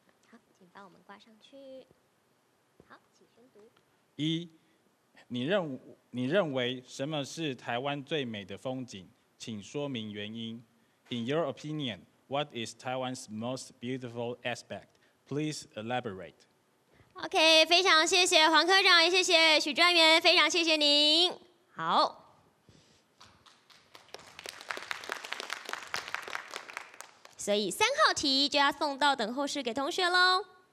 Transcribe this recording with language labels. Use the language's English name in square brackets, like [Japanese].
[Chinese] 好，请帮我们挂上去。好，请宣读。一，你认为什么是台湾最美的风景？请说明原因。 [English] In your opinion, what is Taiwan's most beautiful aspect? Please elaborate. [Chinese] OK, 非常谢谢黄科长，也谢谢许专员，非常谢谢您。好。所以三号题就要送到等候室给同学咯。